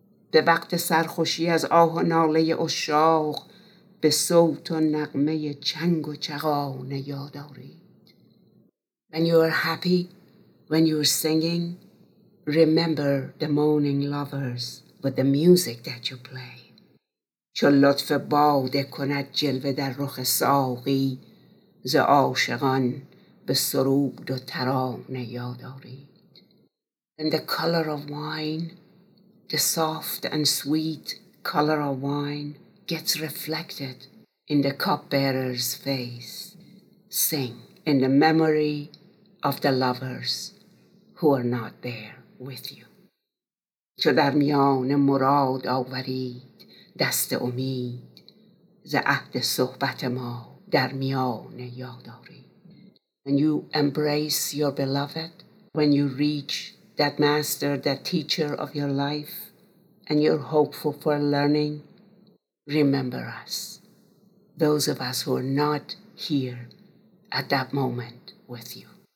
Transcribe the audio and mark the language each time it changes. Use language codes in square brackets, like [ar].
[fa] به وقت سرخوشی از آه و ناله عشاق به صوت و نغمه چنگ و چغانه یاد آورید. [en] When you are happy, when you are singing, remember the moaning lovers with the music that you play. [fa] چو لطف باده کند جلوه در رخ ساقی ز عاشقان به سرود و ترانه یاد آورید. [en] And the color of wine, the soft and sweet color of wine, gets reflected in the cupbearer's face. Sing in the memory of the lovers who are not there with you. [fa] چو در میان مراد آورید دست امید ز عهد صحبت ما در میان یاد آورید. [en] When you embrace your beloved, when you reach that master, that teacher of your life, and you're hopeful for learning, remember us, those of us who are not here at that moment with you.